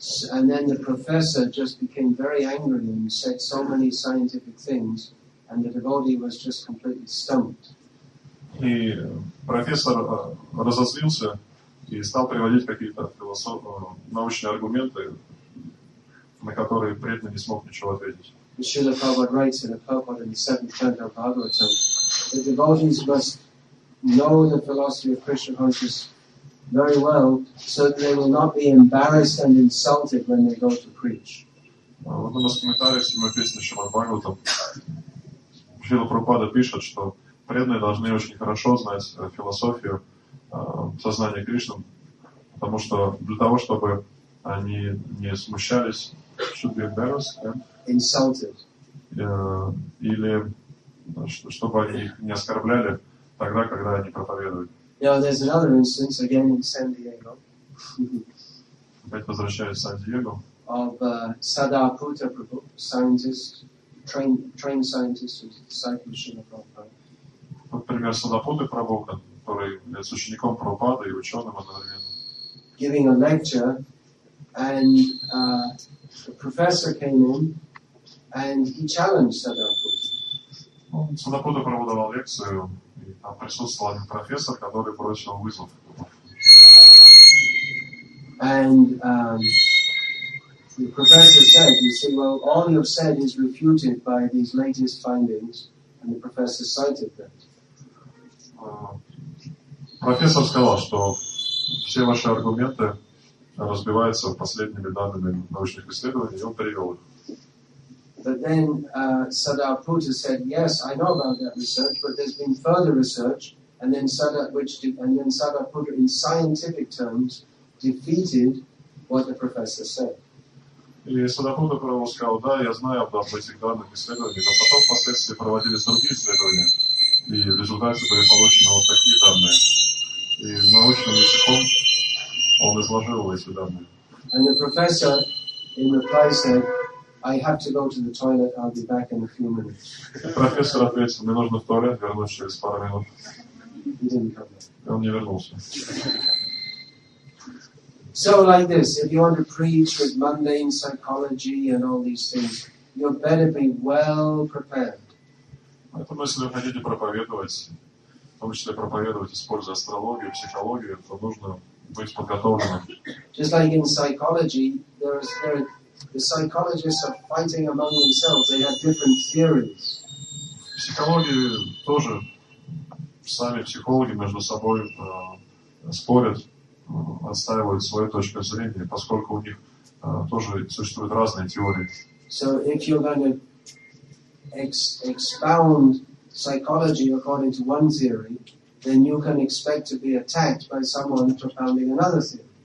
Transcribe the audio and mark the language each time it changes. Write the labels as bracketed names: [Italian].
[English] And then the professor just became very angry and said so many scientific things, and the devotee was just completely stumped. [Russian] И профессор разозлился и стал приводить какие-то научные аргументы, на которые преданный не смог ничего ответить. [English] Srila Prabhupada writes in the purport in the seventh canto of Bhagavatam, the devotees must know the philosophy of Krishna consciousness very well, so that they will not be embarrassed and insulted when they go to preach. [Russian] В одном из комментариев седьмой песни Шримад Бхагаватам Шрила Прабхупада пишет, что преданные должны очень хорошо знать философию сознания Кришны, потому что для того, чтобы они не смущались, [English] should be embarrassed, yeah? Insulted. [Russian] Или чтобы они их не оскорбляли тогда, когда они проповедуют. [English] Yeah, there's another instance again in San Diego. [Russian] Опять возвращаюсь в Сан-Диего. [English] Of Sadaputa Prabhu, scientist, trained scientist who's disciple of Srila Prabhupada. [Russian] Например, Sadaputa Prabhu, который является учеником Прабхупады и ученым одновременно. [English] Giving a lecture, and the professor came in and he challenged Sadaputa. [Russian] Sadaputa Prabhu давал лекцию. Там присутствовал один профессор, который бросил вызов. [English] And the professor said, you see, well, all you've said is refuted by these latest findings, and the professor cited that. [Russian] Профессор сказал, что все ваши аргументы разбиваются последними данными научных исследований, и он привел их. [English] But then Sadaputa said, yes, I know about that research, but there's been further research, and then Sadaputa, in scientific terms, defeated what the professor said. [Russian] И Sadaputa Prabhu сказал, да, я знаю об этих данных исследований, но потом впоследствии проводились другие исследования, и в результате были получены вот такие данные. И научным языком он изложил эти данные. [English] And the professor, in reply, said, I have to go to the toilet. I'll be back in a few minutes. [Russian] Профессор ответил, мне нужно в туалет, вернусь через пару минут. [English] He didn't come back. [Russian] Он не вернулся. [English] So like this, if you want to preach with mundane psychology and all these things, you better be well prepared. [Russian] Поэтому, если вы хотите проповедовать, в том числе проповедовать, используя астрологию, психологию, то нужно быть подготовленным. [English] Just like in psychology, there are the psychologists are fighting among themselves. They have different theories. [Russian] Психологи тоже, сами психологи между собой спорят, отстаивают свою точку зрения, поскольку у них тоже существуют разные теории. [English] So if you're going to expound psychology according to one theory, then you can expect to be attacked by someone propounding another theory.